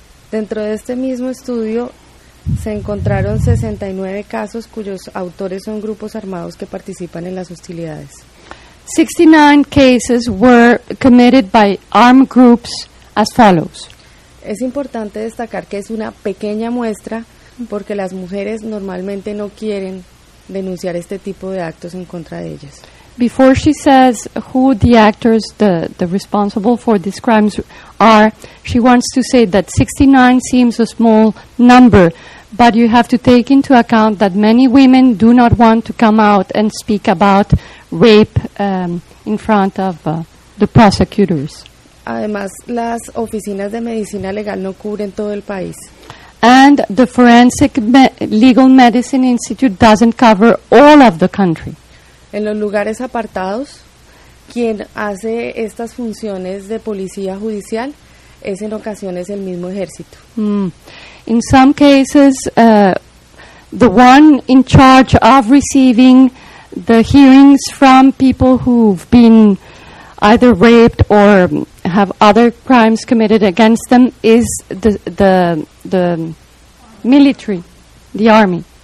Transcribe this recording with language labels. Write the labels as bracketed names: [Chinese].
[Spanish] Dentro de este mismo estudio se encontraron 69 casos cuyos autores son grupos armados que participan en las hostilidades. [English] 69 cases were committed by armed groups as follows. [Spanish] Es importante destacar que es una pequeña muestra porque las mujeres normalmente no quieren denunciar este tipo de actos en contra de ellas. [English] Before she says who the actors, the responsible for these crimes are, she wants to say that 69 seems a small number, but you have to take into account that many women do not want to come out and speak about rape in front of the prosecutors. [Spanish] Además, las oficinas de medicina legal no cubren todo el país. [English] And the Forensic Legal Medicine Institute doesn't cover all of the country. [Spanish] En los lugares apartados, quien hace estas funciones de policía judicial es en ocasiones el mismo ejército. Mm. [English] In some cases, the one in charge of receiving the hearings from people who've been either raped or have other crimes committed against them is the military, the army.